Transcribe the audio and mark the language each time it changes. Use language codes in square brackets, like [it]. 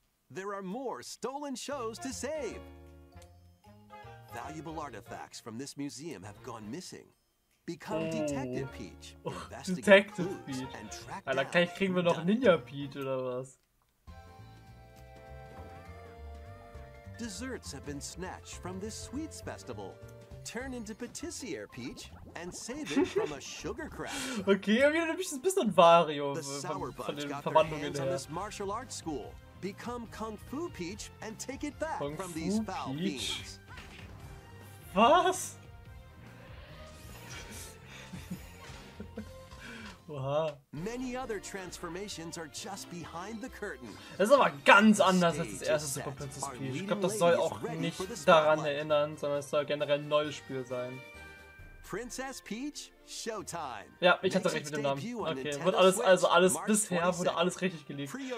[en] There are more stolen shows to save. Valuable artifacts from this museum have gone missing. Become Detective Peach. Detective Peach. And track down. [de] Alter, gleich kriegen wir noch Ninja Peach oder was? [en] Desserts have been snatched from this sweets festival. Turn into Patissier Peach and save it from a sugar crash. [de] Okay, wir erinnern mich ein bisschen an Wario von den Verwandlungen her. [en] This martial arts school. Become Kung Fu Peach and take it back from these foul beings. [de] Was? Oha. [en] Many other transformations are just behind the curtain. [de] Das ist aber ganz anders als das erste Super Princess Peach. Ich glaube, das soll auch nicht daran erinnern, sondern es soll generell ein neues Spiel sein. [en] Princess Peach Showtime. [de] Ja, ich hatte recht mit dem Namen. Okay, wurde alles, also alles bisher wurde alles richtig geleakt.